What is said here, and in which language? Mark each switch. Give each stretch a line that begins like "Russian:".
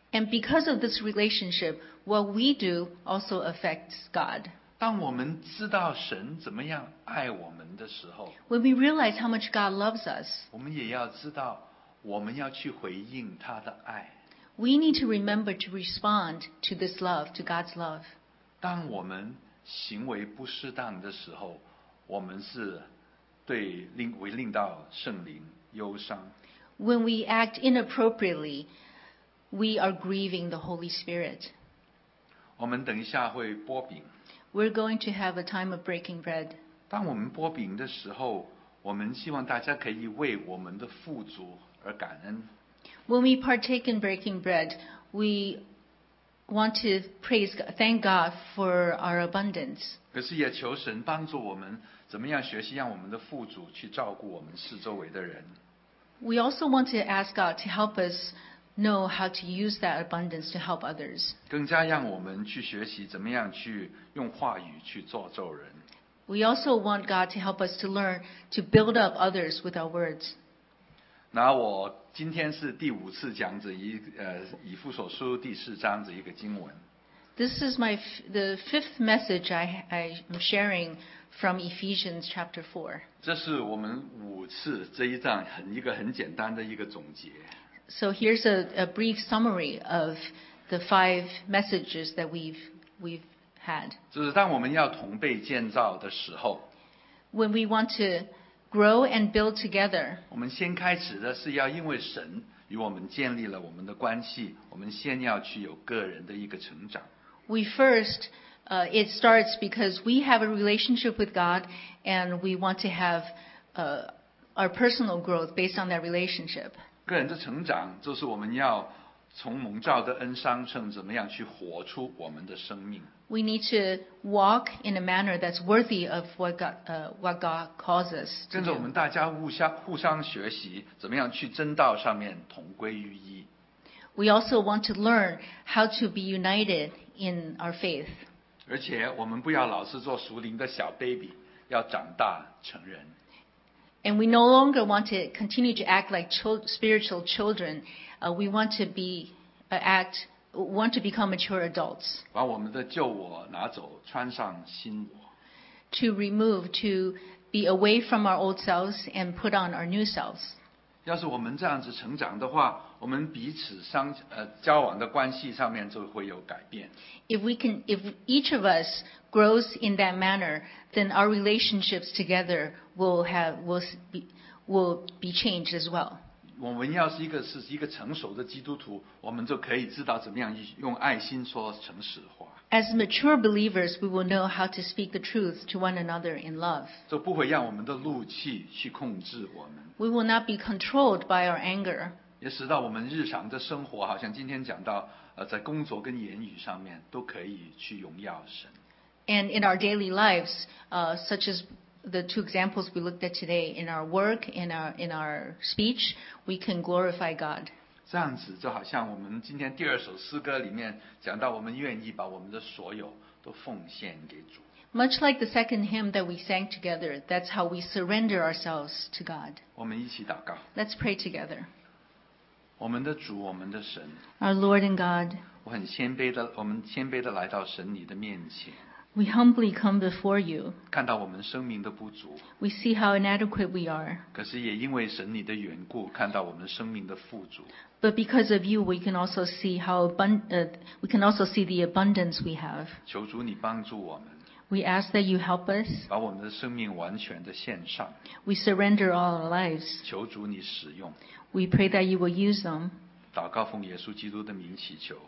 English: And because of this relationship, what we do also affects God.
Chinese: 当我们知道神怎么样爱我们的时候，
English: When we realize how much God loves us,
Chinese: 我们也要知道我们要去回应他的爱。
English: We need to remember to respond to this love, to God's love.
Chinese: 当我们行为不适当的时候，我们是对令到圣灵忧伤。
English: When we act inappropriately, we are grieving the Holy Spirit.
Chinese: 我们等一下会擘饼。
English: We're going to have a time of breaking bread.
Chinese: 当我们擘饼的时候，我们希望大家可以为我们的富足而感恩。
English: When we partake in breaking bread, we want to praise God, thank God for our abundance.
Chinese: 可是也求神帮助我们，怎么样学习让我们的富足去照顾我们四周围的人。
English: We also want to ask God to help us know how to use that abundance to help others.
Chinese: 更加让我们去学习怎么样去用话语去造就人。
English: We also want God to help us to learn to build up others with our words.
Chinese: 那我今天是第五次讲这一以弗所书第四章这一个经文。
English: This is the fifth message I am sharing from Ephesians chapter 4.
Chinese: 这是我们五次这一章一个很简单的一个总结。
English: So here's a brief summary of the five messages that we've had.
Chinese: 就是当我们要同辈建造的时候，
English: When we want to grow and build together,
Chinese: 我们先开始的是要因为神与我们建立了我们的关系，我们先要去有个人的一个成长。
English: We first, it starts because we have a relationship with God and we want to have our personal growth based on that relationship.
Chinese: 个人的成长就是我们要从蒙召的恩商圣怎么样去活出我们的生命。
English: We need to walk in a manner that's worthy of what God calls us to do.
Chinese: 跟着我们大家互相学习，怎么样去真道上面同归于一。
English: We also want to learn how to be united in our faith.
Chinese: 而且我们不要老是做属灵的小 baby， 要长大成人。
English: And we no longer want to continue to act like spiritual children. We want to become mature adults.
Chinese: 把我们的旧我拿走，穿上新我。
English: To remove, to be away from our old selves and put on our new selves.
Chinese: 要是我们这样子成长的话，我们彼此交往的关系上面就会有改变。
English: If each of us grows in that manner, then our relationships together will be changed as well.
Chinese: 我们要是一个成熟的基督徒，我们就可以知道怎么样用爱心说诚实话。
English: As mature believers, we will know how to speak the truth to one another in love.
Chinese: 就不会让我们的怒气去控制我们。
English: We will not be controlled by our anger.
Chinese: 也使到我们日常的生活，好像今天讲到，在工作跟言语上面都可以去荣耀神。
English: And in our daily lives, such as the two examples we looked at today, in our work, in our speech, we can glorify God.
Chinese: 这样子就好像我们今天第二首诗歌里面讲到，我们愿意把我们的所有都奉献给主。
English: Much like the second hymn that we sang together, that's how we surrender ourselves to God.
Chinese: 我们一起祷告。
English: Let's pray together.
Chinese: 我们的主，我们的神。
English: Our Lord and God.
Chinese: 我们谦卑地来到神你的面前。
English: We humbly come before you.
Chinese: 看到我们生命的不足。
English: We see how inadequate we are.
Chinese: 可是也因为神你的缘故，看到我们生命的富足。
English: But because of you, we can also see the abundance we have.
Chinese: 求主你帮助我们。
English: We ask that you help us.
Chinese: 把我们的生命完全的献上。
English: We surrender all our lives.
Chinese: 求主你使用。
English: We pray that you will use them.
Chinese: 祷告奉耶稣基督的名祈求。